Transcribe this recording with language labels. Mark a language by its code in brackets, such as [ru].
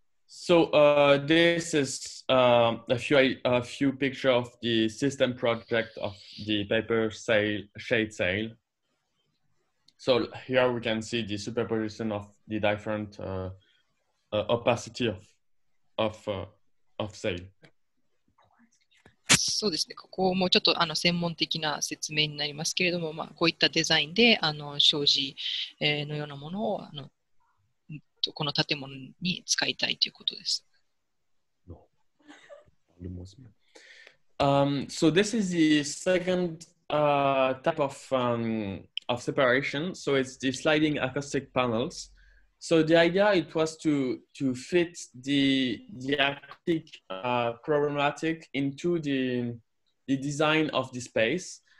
[en] So, this is a few pictures of the system project of the paper shade sail. So, here we can see the superposition of the different opacity of sail. [ja] そうですね。ここもちょっと専門的な説明になりますけれども、まあ、こういったデザインで障子のようなものをこの建物に使いたいということです。 [en] So this is the second type of separation. So it's the sliding acoustic panels. So the idea it was to fit the acoustic problematic into the design of the space.